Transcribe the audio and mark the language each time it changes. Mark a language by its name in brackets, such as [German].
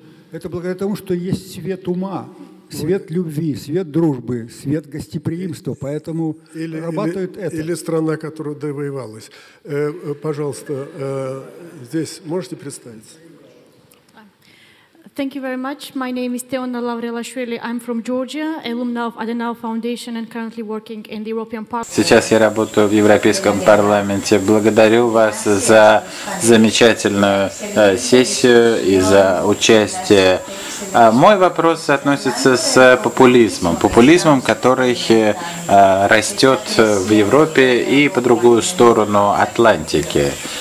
[Russian] Это благодаря тому, что есть свет ума, свет любви, свет дружбы, свет гостеприимства, поэтому работают это. Или страна, которая довоевалась. Пожалуйста, здесь можете представиться? [English] Thank you very much. My name is Teona Lavrilashvili. I'm from Georgia, alumna of Adenauer Foundation and currently working in the European Parliament. [Russian] Сейчас я работаю в Европейском парламенте. Благодарю вас за замечательную сессию и за участие. Мой вопрос относится с популизмом, который растет в Европе и по другую сторону Атлантики.